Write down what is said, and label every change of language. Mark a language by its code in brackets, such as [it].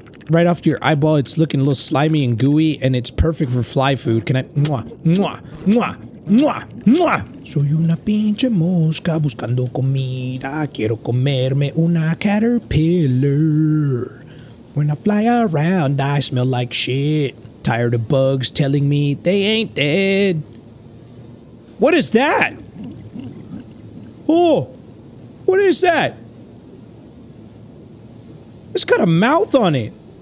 [en] Right off your eyeball, it's looking a little slimy and gooey, and it's perfect for fly food. Can I? Mwah, mwah, mwah, mwah, mwah. [es] Soy una pinche mosca buscando comida. Quiero comerme una caterpillar. [en] When I fly around, I smell like shit. Tired of bugs telling me they ain't dead. What is that? Oh, what is that? It's got a mouth on it.